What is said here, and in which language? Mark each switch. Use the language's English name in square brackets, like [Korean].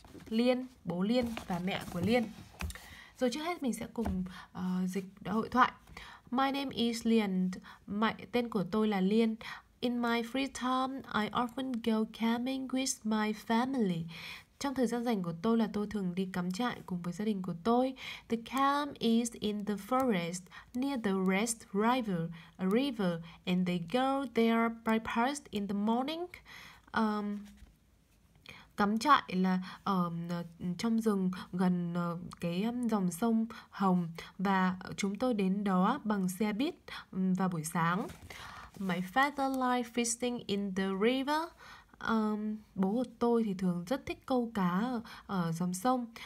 [Vietnamese] Liên, bố Liên và mẹ của Liên. Rồi trước hết mình sẽ cùng dịch đoạn hội thoại. [English] My name is Lien. [Vietnamese] Tên của tôi là Lien. [English] In my free time, I often go camping with my family. [Vietnamese] Trong thời gian rảnh của tôi là tôi thường đi cắm trại cùng với gia đình của tôi. [English] The camp is in the forest near the Red River, a river, and they go there by bus in the morning. [Vietnamese] Cắm trại là ở trong rừng gần cái dòng sông Hồng và chúng tôi đến đó bằng xe buýt vào buổi sáng. [English] My father likes fishing in the river. [Vietnamese] Bố của tôi thì thường rất thích câu cá ở dòng sông.